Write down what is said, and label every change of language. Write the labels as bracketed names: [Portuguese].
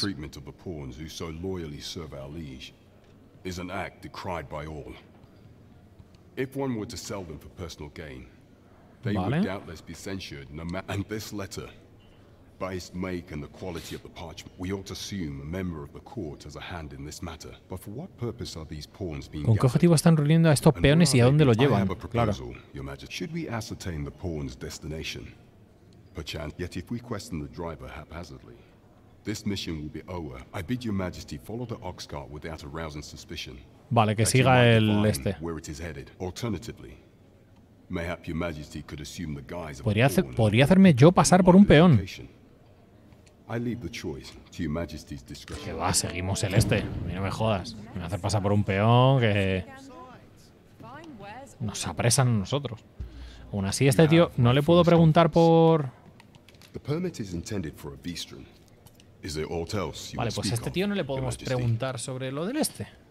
[English] ...treatment of the pawns who so loyally serve our liege is an act decried by all. If one were to sell them for personal gain, they [Spanish] vale. [English] would doubtless be censured, no matter... And this letter, by its make and the quality of the parchment, we ought to assume a member of the court has a hand in this matter. But for what purpose are these pawns being gathered? [Spanish] ¿Con qué objetivo están reuniendo a estos peones y a dónde lo llevan? [English] I have a proposal, [Spanish] claro. [English] Your Majesty. Should we ascertain the pawn's destination? Perchance. Yet if we question the driver haphazardly, this mission will be over. I bid Your Majesty follow the oxcart without arousing suspicion. [Spanish] Vale, que siga el este. [English] Where it is headed. Alternatively, mayhap Your Majesty could assume the guise of a pawn. [Spanish] Podría hacerme yo pasar por un peón. [English] I leave the choice to Your Majesty's discretion. [Spanish] Que va, seguimos el este. A mí no me jodas. Me voy a hacer pasar por un peón que nos apresan a nosotros. Aún así, este tío no le puedo preguntar por... [English] The permit is intended for a Vistran. Is there aught else you... [Spanish] Vale, pues a este tío no le podemos preguntar sobre lo del este.